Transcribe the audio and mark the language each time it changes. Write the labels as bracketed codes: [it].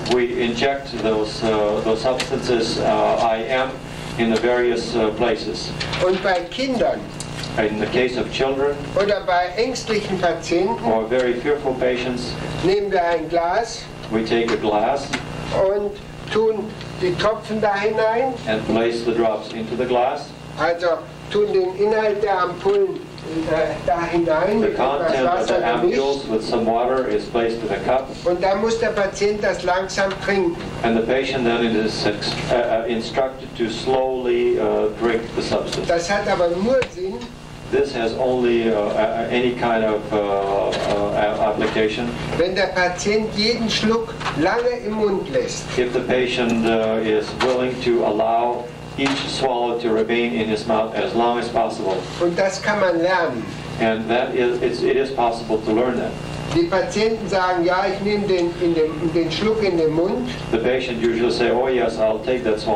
[en] We inject those substances IM in the various places. [de] Und bei Kindern. [en] In the case of children. [de] Oder bei ängstlichen Patienten. [en] Or very fearful patients. [de] Nehmen wir ein Glas. [en] We take a glass. [de] Und tun die Tropfen da hinein. [en] And place the drops into the glass. [de] Also tun den Inhalt der Ampullen. [en] The content of the ampules with some water is placed in a cup. [de] Und dann muss der Patient das langsam trinken. [en] And the patient then is instructed to slowly drink the substance. [de] Das hat aber nur Sinn. [en] This has only any kind of application. [de] Wenn der Patient jeden Schluck lange im Mund lässt. [en] If the patient is willing to allow each swallow to remain in his mouth as long as possible. [de] Und das kann man lernen. [en] And that is, it is possible to learn that. [de] Die Patienten sagen, ja, ich nehme den Schluck in den Mund. [en] The patient usually say, oh yes, I'll take that swallow.